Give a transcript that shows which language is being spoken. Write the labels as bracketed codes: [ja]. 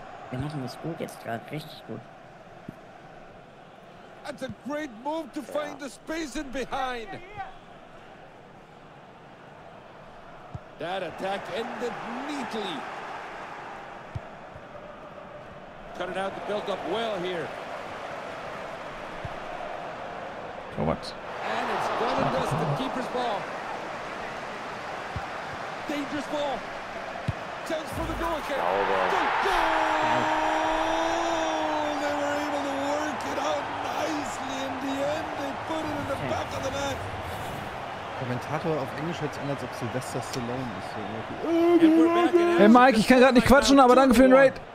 [de] Wir machen das gut jetzt gerade, richtig gut. [en] That's a great move to find the space in behind. That attack ended neatly. Cut it out to build up well here. So what? And it's gonna dust the keeper's ball. Dangerous ball. Chance for the goal kick. Oh, the goal! They were able to work it out nicely in the end. They put it in the back of the net. [de] Kommentator auf Englisch hört sich an, als ob Sylvester Stallone ist. Hey Mike, ich kann gerade nicht quatschen, aber danke für den Raid.